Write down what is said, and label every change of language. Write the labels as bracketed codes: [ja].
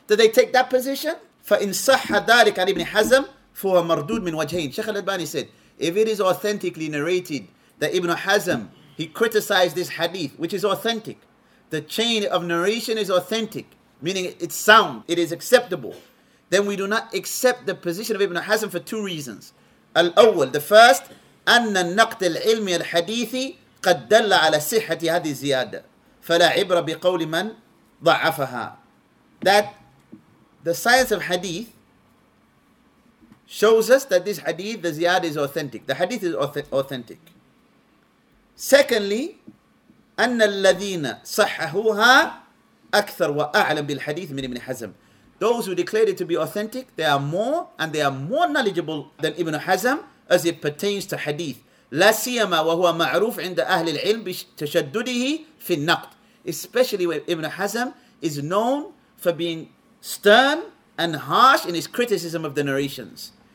[en] Do they take that position? [ar] فَإِنْ صَحَّ ذَلِكَ عَلِ إِبْنِ حَزَمٍ فُوَ مَرْدُودٌ مِنْ وَجْهَيْنِ [en] Shaykh al-Albani said, if it is authentically narrated that Ibn Hazm, he criticized this hadith, which is authentic. The chain of narration is authentic, meaning it's sound, it is acceptable. Then we do not accept the position of Ibn Hazm for two reasons. [ar] Al-awwal, [en] the first, [ar] أَنَّ النَّقْدَ الْعِلْمِ الْحَدِيثِ قَدْ دَلَّ عَلَى صِحَّةِ هَذِي الزِّيَادَةِ فَلَا عِبْرَ بِقَوْلِ مَنْ ضَعَفَهَا. [en] That the science of hadith shows us that this hadith, the ziyadah, is authentic. The hadith is authentic. Secondly, [ar] أَنَّ الَّذِينَ صَحَّهُهَا أَكْثَرْ وَأَعْلَمْ بِالْحَدِيثِ مِنْ إِبْنِ حَزَمٍ. [en] Those who declared it to be authentic, they are more, and they are more knowledgeable than Ibn Hazm as it pertains to hadith. [ar] لَا سِيَمَا وَهُوَ مَعْرُوفٌ عِنْدَ أَهْلِ الْعِلْمِ بِتَشَدُّدِهِ فِي النَّقْدِ. [en] Especially where Ibn Hazm is known for being stern and harsh in his criticism of the narrations.